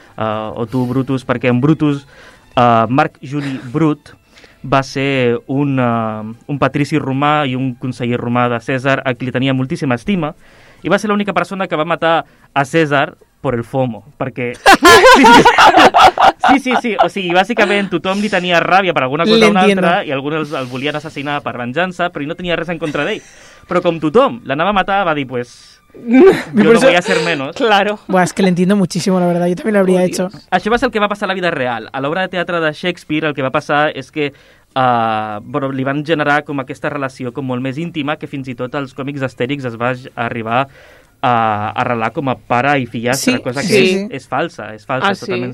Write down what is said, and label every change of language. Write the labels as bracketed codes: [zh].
[ca] O "tu Brutus", perquè en Brutus, Marc Juli Brut, va ser un patrici romà i un conseller romà de César a qui li tenia moltíssima estima, i va ser l'única persona que va matar a César per el FOMO, perquè... Sí. O sigui, bàsicament tothom li tenia ràbia per alguna cosa o una altra, i alguns el volien assassinar per venjança, però no tenia res en contra d'ell. Però com tothom l'anava a matar, va dir, pues... [es] Yo no voy a ser menos. Claro. Buah, es que le entiendo muchísimo, la verdad. Yo también lo habría hecho. [ca] Això va ser el que va passar a la vida real. A l'obra de teatre de Shakespeare el que va passar és que li van generar com aquesta relació com molt més íntima, que fins i tot els còmics d'Astèrix es va arribar a relar com a pare i fillastre, sí, cosa sí, que és falsa. És falsa, ah, totalment